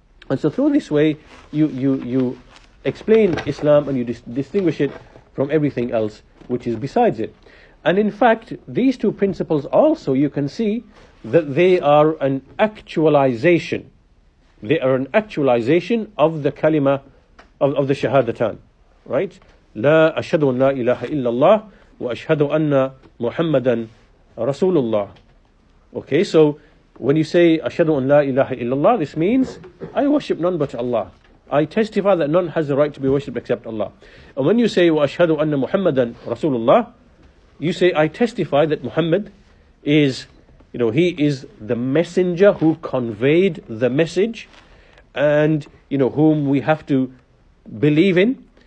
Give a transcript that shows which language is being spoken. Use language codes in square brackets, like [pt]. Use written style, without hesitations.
[en] And so through this way, you explain Islam and you distinguish it from everything else which is besides it. And in fact, these two principles also, you can see that they are an actualization. They are an actualization of the kalima, of the shahadatan. Right? [ar] لا أشهد أن لا إله إلا الله وأشهد أن محمدا رسول الله. [en] Okay, so when you say [ar] أشهد أن لا إله إلا الله, [en] this means I worship none but Allah. I testify that none has the right to be worshipped except Allah. And when you say [ar] وأشهد أن محمدا رسول الله, [en] you say I testify that Muhammad is, you know, he is the messenger who conveyed the message, and you know, whom we have to believe in.